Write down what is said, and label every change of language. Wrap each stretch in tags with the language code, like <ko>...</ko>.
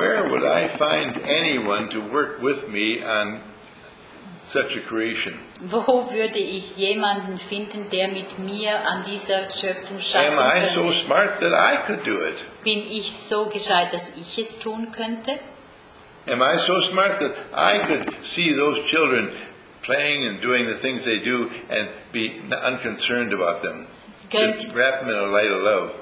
<en>Where would I find anyone to work with me on such a creation?</en> <de>Wo würde ich jemanden finden, der mit mir an dieser Schöpfung schaffen könnte?</de> <en>Am I so smart that I could do it?</en> <de>Bin ich so gescheit, dass ich es tun könnte?</de> <en>Am I so smart that I could see those children playing and doing the things they do and be unconcerned about them? Just wrap them in a light of love.</en>